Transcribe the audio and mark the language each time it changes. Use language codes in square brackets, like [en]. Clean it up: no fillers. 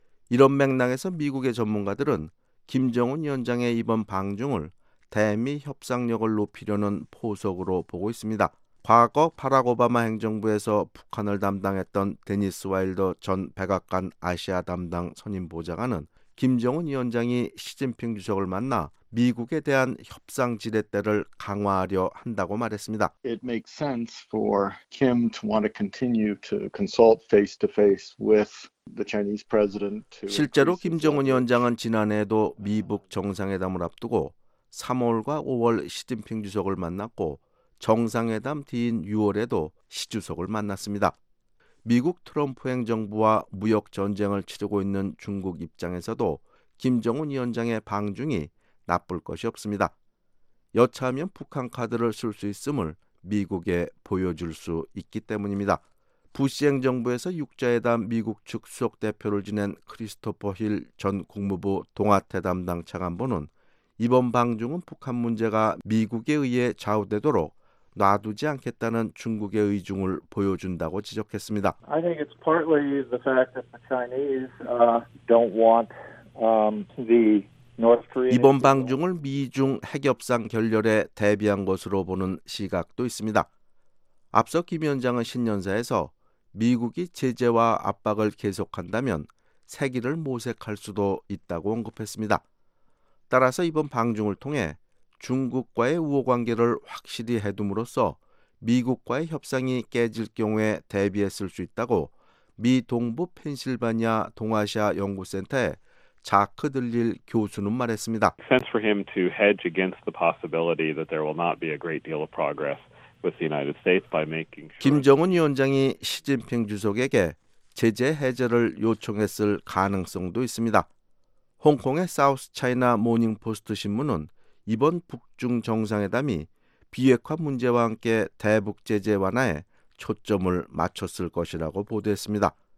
[ko] 이런 맥락에서 미국의 전문가들은 김정은 위원장의 이번 방중을 대미 협상력을 높이려는 포석으로 보고 있습니다. 과거 바락 오바마 행정부에서 북한을 담당했던 데니스 와일더 전 백악관 아시아 담당 선임 보좌관은 김정은 위원장이 시진핑 주석을 만나 미국에 대한 협상 지렛대를 강화하려 한다고 말했습니다. [en] It makes sense for Kim to want to continue to consult face to face with the Chinese president. [ko] 실제로 김정은 위원장은 지난해에도 미북 정상회담을 앞두고 3월과 5월 시진핑 주석을 만났고 정상회담 뒤인 6월에도 시 주석을 만났습니다. 미국 트럼프 행정부와 무역 전쟁을 치르고 있는 중국 입장에서도 김정은 위원장의 방중이 나쁠 것이 없습니다. 여차하면 북한 카드를 쓸 수 있음을 미국에 보여줄 수 있기 때문입니다. 부시 행정부에서 6자회담 미국 측 수석 대표를 지낸 크리스토퍼 힐 전 국무부 동아태 담당 차관보는 이번 방중은 북한 문제가 미국에 의해 좌우되도록 놔두지 않겠다는 중국의 의중을 보여준다고 지적했습니다. [en] I think it's partly the fact that the Chinese don't want the North Korean. [ko] 이번 방중을 미중 핵협상 결렬에 대비한 것으로 보는 시각도 있습니다. 앞서 김 위원장은 신년사에서 미국이 제재와 압박을 계속한다면 세기를 모색할 수도 있다고 언급했습니다. 따라서 이번 방중을 통해 중국과의 우호관계를 확실히 해둠으로써 미국과의 협상이 깨질 경우에 대비했을 수 있다고 미 동부 펜실바니아 동아시아 연구센터의 자크 들릴 교수는 말했습니다. [en] Sense for him to hedge against the possibility that there will not be a great deal of progress with the United States by making sure [ko] 김정은 위원장이 시진핑 주석에게 제재 해제를 요청했을 가능성도 있습니다. 홍콩의 사우스 차이나 모닝포스트 신문은 이번 북중 정상회담이 비핵화 문제와 함께 대북 제재 완화에 초점을 맞췄을 것이라고 보도했습니다.